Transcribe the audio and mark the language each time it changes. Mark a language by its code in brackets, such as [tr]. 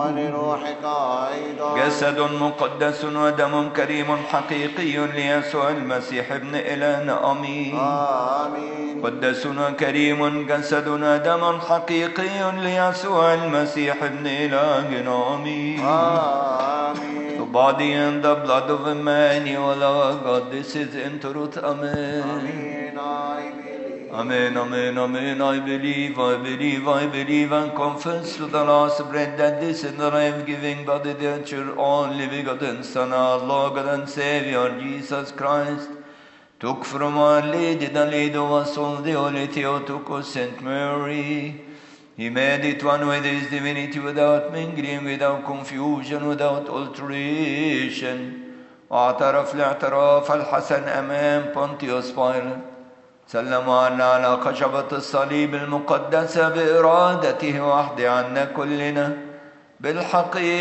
[ar] ولروحك أيضا جسد مقدس ودم كريم حقيقي ليسوع المسيح ابن إلهنا أمين آمين مقدس وكريم جسد ودم حقيقي ليسوع المسيح ابن إلهنا أمين آمين [en] The body and the blood of Emmanuel our God this is in truth Amen Amen Amen, amen, amen. I believe, I believe, I believe and confess to the last bread that this is the life-giving body that your only begotten Son, our Lord God and Savior, Jesus Christ, took from our Lady, the Lady of us all, the Holy Theotokos, St. Mary. He made it one with his divinity, without mingling, without confusion, without alteration. [ar] اعترف الاعتراف الحسن امام Pontius Pilate. سلم عنا على خشبة الصليب المقدسة بإرادته وحده عنا كلنا بالحقيقة